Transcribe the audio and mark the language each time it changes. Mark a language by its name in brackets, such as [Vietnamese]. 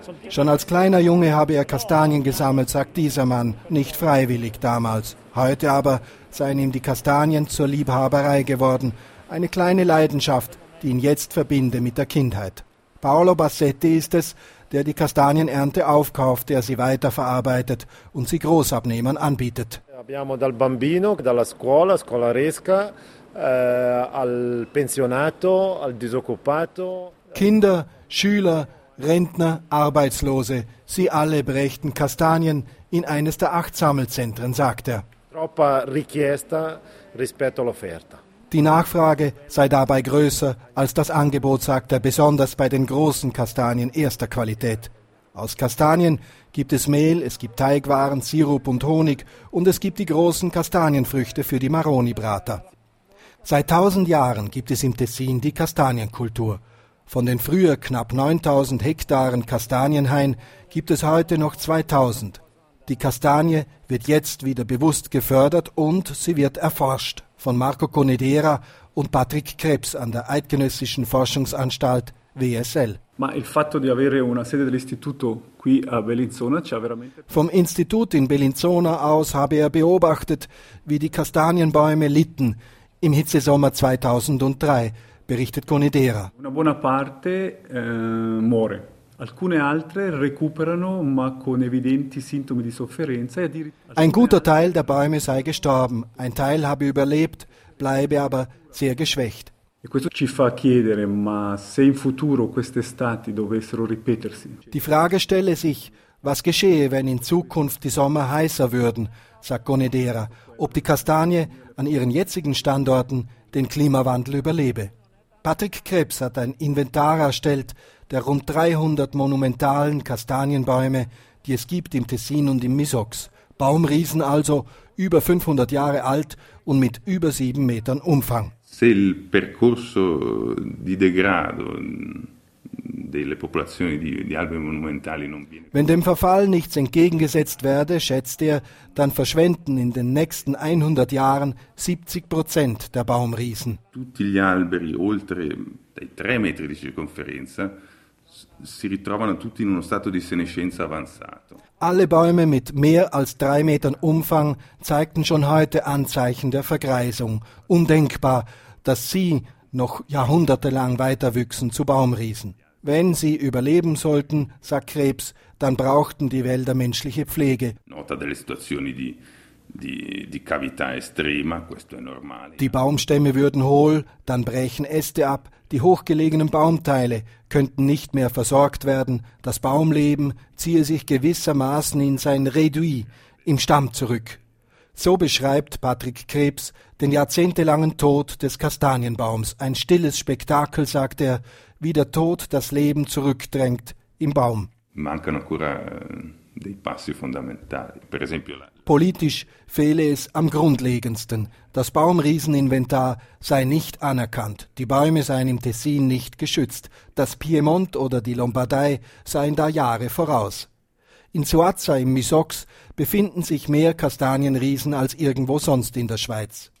[German] Schon als kleiner Junge habe er Kastanien gesammelt, sagt dieser Mann, nicht freiwillig damals. Heute aber seien ihm die Kastanien zur Liebhaberei geworden. Eine kleine Leidenschaft, die ihn jetzt verbinde mit der Kindheit. Paolo Bassetti ist es, der die Kastanienernte aufkauft, der sie weiterverarbeitet und sie Großabnehmern anbietet. [Italian] Abbiamo dal bambino, dalla scuola, scolaresca, al pensionato, al disoccupato. [German] Kinder, Schüler, Rentner, Arbeitslose, sie alle brächten Kastanien in eines der 8 Sammelzentren, sagt er. [Italian] Troppa richiesta rispetto all'offerta. [German] Die Nachfrage sei dabei größer als das Angebot, sagt er, besonders bei den großen Kastanien erster Qualität. Aus Kastanien gibt es Mehl, es gibt Teigwaren, Sirup und Honig und es gibt die großen Kastanienfrüchte für die Maroni-Brater. Seit 1000 Jahren gibt es im Tessin die Kastanienkultur. Von den früher knapp 9000 Hektaren Kastanienhain gibt es heute noch 2000. Die Kastanie wird jetzt wieder bewusst gefördert und sie wird erforscht von Marco Conedera und Patrick Krebs an der Eidgenössischen Forschungsanstalt WSL. [Italian] Ma il fatto di avere una sede dell'istituto qui a Bellinzona c'ha veramente. [German] Vom Institut in Bellinzona aus habe er beobachtet, wie die Kastanienbäume litten im Hitzesommer 2003, berichtet Conedera. [Italian] Una buona parte muore. Alcune altre recuperano, ma con evidenti sintomi di sofferenza. [German] Ein guter Teil der Bäume sei gestorben, ein Teil habe überlebt, bleibe aber sehr geschwächt. Die Frage stelle sich, was geschehe, wenn in Zukunft die Sommer heißer würden, sagt Conedera, ob die Kastanie an ihren jetzigen Standorten den Klimawandel überlebe. Patrick Krebs hat ein Inventar erstellt der rund 300 monumentalen Kastanienbäume, die es gibt im Tessin und im Misox. Baumriesen also, über 500 Jahre alt und mit über 7 Metern Umfang. [Italian] Se il percorso di degrado delle popolazioni di alberi monumentali non viene... [German] Wenn dem Verfall nichts entgegengesetzt werde, schätzt er, dann verschwenden in den nächsten 100 Jahren 70% der Baumriesen. [Italian] Tutti gli alberi oltre dai 3 metri di circonferenza si ritrovano tutti in uno stato di senescenza avanzato. [German] Alle Bäume mit mehr als 3 Metern Umfang zeigten schon heute Anzeichen der Vergreisung. Undenkbar, dass sie noch jahrhundertelang weiterwüchsen zu Baumriesen. Wenn sie überleben sollten, sagt Krebs, dann brauchten die Wälder menschliche Pflege. [Italian] Nota delle situazioni di cavità estrema, questo è normale. [German] Die Baumstämme würden hohl, dann brechen Äste ab, die hochgelegenen Baumteile könnten nicht mehr versorgt werden, das Baumleben ziehe sich gewissermaßen in sein Réduit, im Stamm zurück. So beschreibt Patrick Krebs den jahrzehntelangen Tod des Kastanienbaums. Ein stilles Spektakel, sagt er, wie der Tod das Leben zurückdrängt im Baum. [Italian] Mancano ancora dei passi fondamentali. Per esempio la... [German] Politisch fehle es am Grundlegendsten. Das Baumrieseninventar sei nicht anerkannt. Die Bäume seien im Tessin nicht geschützt. Das Piemont oder die Lombardei seien da Jahre voraus. In Soazza im Misox befinden sich mehr Kastanienriesen als irgendwo sonst in der Schweiz.